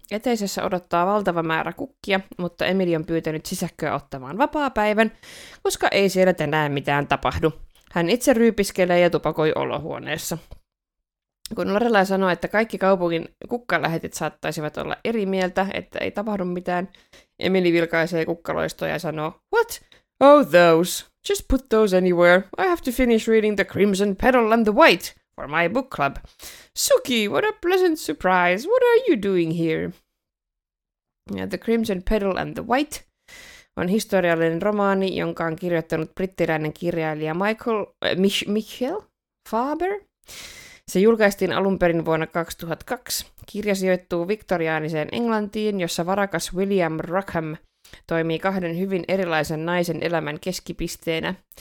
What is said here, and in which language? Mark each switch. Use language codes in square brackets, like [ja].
[fi] Eteisessä odottaa valtava määrä kukkia, mutta Emily on pyytänyt sisäkköä ottamaan vapaapäivän, koska ei siellä tänään mitään tapahdu. Hän itse ryypiskelee ja tupakoi olohuoneessa. Kun Lorella sanoo, että kaikki kaupungin kukkalähetit saattaisivat olla eri mieltä, että ei tapahdu mitään, Emily vilkaisee kukkaloistoja ja sanoo, [en] "What? Oh, those. Just put those anywhere. I have to finish reading The Crimson Petal and the White for my book club. Suki, what a pleasant surprise. What are you doing here?" [fi] Ja The Crimson Petal and the White on historiallinen romaani, jonka on kirjoittanut brittiläinen kirjailija Michel Faber. Se julkaistiin alun perin vuonna 2002. Kirja sijoittuu viktoriaaniseen Englantiin, jossa varakas William Rockham toimii kahden hyvin erilaisen naisen elämän keskipisteenä.